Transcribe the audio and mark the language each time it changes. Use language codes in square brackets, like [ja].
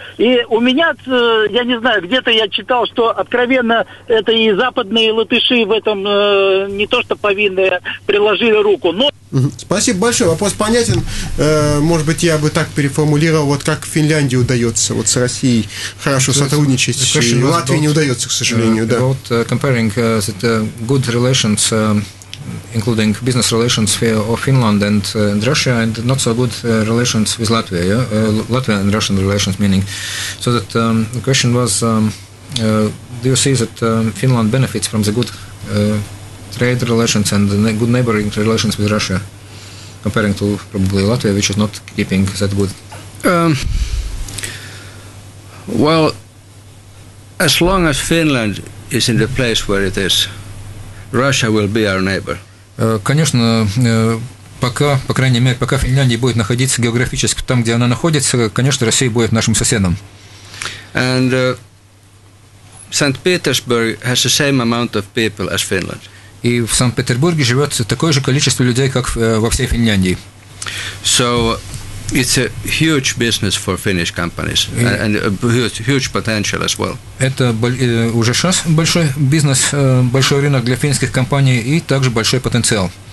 [ru] И у меня, я не знаю, где-то я читал, что, откровенно, это и западные латыши в этом не то что повинные, приложили руку, но... Спасибо большое. Вопрос понятен. Может быть, я бы так переформулировал, вот как Финляндии удается вот с Россией хорошо сотрудничать, и Латвии не удается, к сожалению. [en] About comparing the good relations, including business relations of Finland and Russia, and not so good relations with Latvia. Yeah? Latvia and Russian relations, meaning. So that the question was, do you see that Finland benefits from the good trade relations and the good neighboring relations with Russia, comparing to probably Latvia, which is not keeping that good. Well, as long as Finland is in the place where it is, Russia will be our neighbor. [ru] Конечно, пока, по крайней мере, пока Финляндия будет находиться географически там, где она находится, конечно, Россия будет нашим соседом. [en] And Saint Petersburg has the same amount of people as Finland. [ru] И в Санкт-Петербурге живет такое же количество людей, как во всей Финляндии. [en] So it's a huge business for Finnish companies and a huge potential as well. [ru] Это уже сейчас большой бизнес, большой рынок для финских компаний и также большой потенциал.